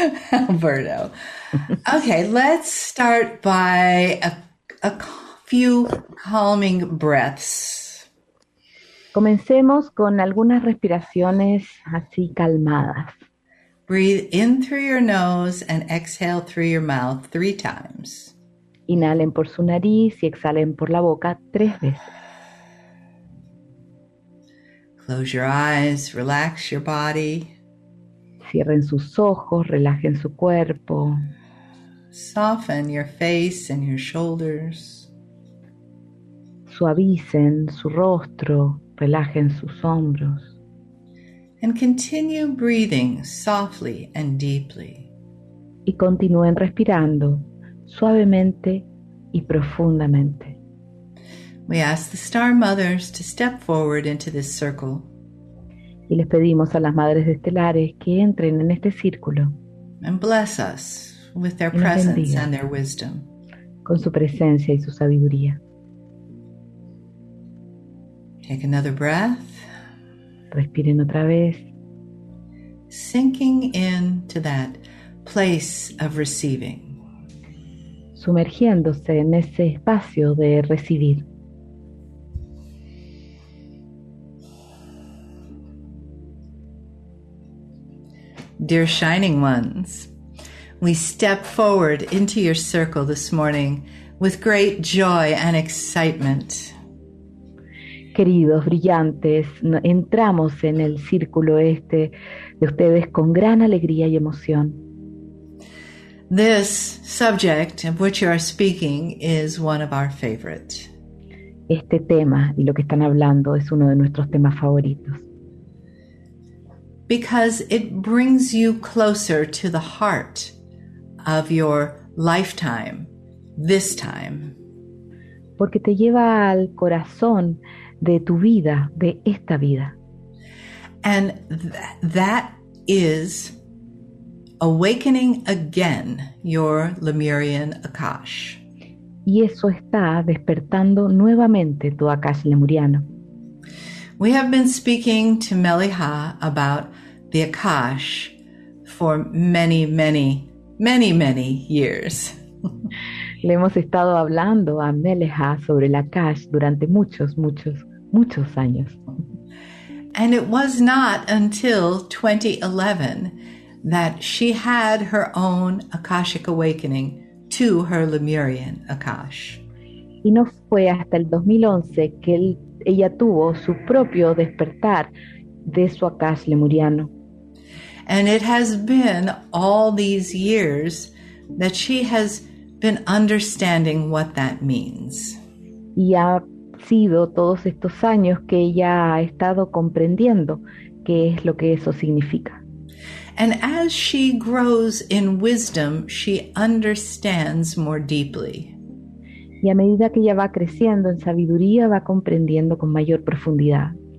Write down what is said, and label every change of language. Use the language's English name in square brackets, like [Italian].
[English] Alberto. Okay, let's start by a few calming breaths. [Spanish] Comencemos con algunas respiraciones así calmadas. [English] Breathe in through your nose and exhale through your mouth 3 times. [Spanish] Inhalen por su nariz y exhalen por la boca 3 veces. [English] Close your eyes, relax your body. [Spanish] Cierren sus ojos, relajen su cuerpo. [English] Soften your face and your shoulders. [Spanish] Suavicen su rostro, relajen sus hombros. [English] And continue breathing softly and deeply. [Spanish] Y continúen respirando suavemente y profundamente. [English] We ask the Star Mothers to step forward into this circle. [Spanish] Y les pedimos a las Madres Estelares que entren en este círculo. [English] And bless us with their presence and their wisdom. [Spanish] Con su presencia y su sabiduría. [English] Take another breath. [Spanish] Respiren otra vez. [English] Sinking into that place of receiving. [Spanish] Sumergiéndose en ese espacio de recibir. [English] dear shining ones. We step forward into your circle this morning with great joy and excitement. [Spanish] Queridos brillantes, entramos en el círculo este de ustedes con gran alegría y emoción. [English] This subject of which you are speaking is one of our favorite. [Spanish] Este tema y lo que están hablando es uno de nuestros temas favoritos. [English] Because it brings you closer to the heart of your lifetime, this time. [Spanish] Porque te lleva al corazón de tu vida, de esta vida. [English] And that is awakening again your Lemurian Akash. [Spanish] Y eso está despertando nuevamente tu Akash Lemuriano. [English] We have been speaking to Meliha about the Akash for many, many, many, many years. [Spanish] Le hemos estado hablando a Meliha sobre el Akash durante muchos, muchos, muchos años. [English] And it was not until 2011 that she had her own Akashic Awakening to her Lemurian Akash. [Spanish] Y no fue hasta el 2011 que ella tuvo su propio despertar de su Akash Lemuriano. [English] And it has been all these years that she has been understanding what that means. [Spanish] Y ha sido todos estos años que ella ha estado comprendiendo qué es lo que eso significa. [English] And as she grows in wisdom, she understands more deeply. [Spanish] Y a medida que ella va creciendo en sabiduría, va comprendiendo con mayor profundidad.